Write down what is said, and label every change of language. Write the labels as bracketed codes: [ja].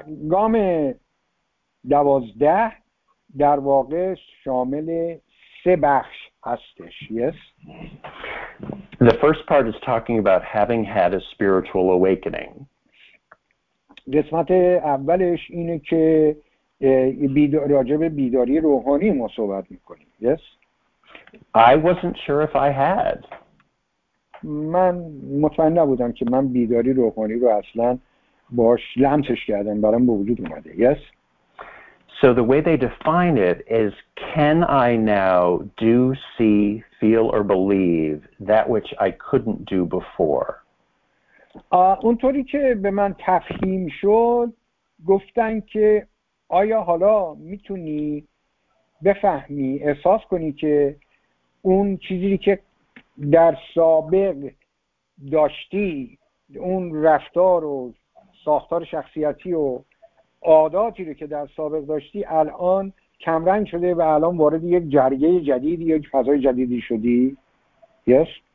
[fa] گام 12 در واقع شامل سه بخش هستش. [en] Yes. The first part is talking about having had a spiritual awakening. [fa] قسمت اولش اینه که راجب بیداری روحانی ما صحبت میکنیم. [en] Yes. I wasn't sure if I had. [fa] من مطمئن نبودم که من بیداری روحانی رو اصلا باش لمسش کردم، برام به وجود اومده. [en] Yes. So the way they define it is, can I now do, see, feel, or believe that which I couldn't do before? [fa] اونطوری که به من تفهیم شد، گفتن که آیا حالا میتونی بفهمی، احساس کنی که اون چیزی که در سابق داشتی، اون رفتار و ساختار شخصیتی و عاداتی رو که در سابق داشتی الان کمرنگ شده و الان وارد یک جریه جدید، یک فضای جدیدی شدی؟ [en] Yes.